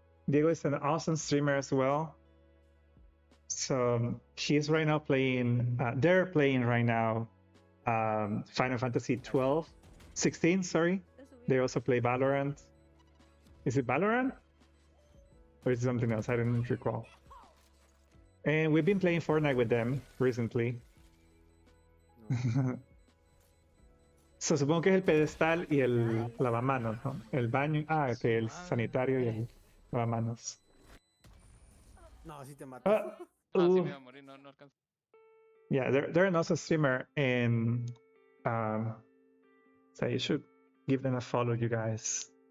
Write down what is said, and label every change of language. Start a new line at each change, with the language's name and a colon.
English: Diego is an awesome streamer as well. So she's right now playing, they're playing right now Final Fantasy 12, 16, sorry. They also play Valorant. Is it Valorant? Or is it something else? I don't recall. And we've been playing Fortnite with them recently. No.
Spanish: So supongo que es el pedestal y el lavamanos, ¿no? El baño, ah, okay, el sanitario y el lavamanos. No, si te matas. Ah, sí, me iba a morir, no alcanzo.
English: Yeah, they're an awesome streamer, and so you should give them a follow, you guys.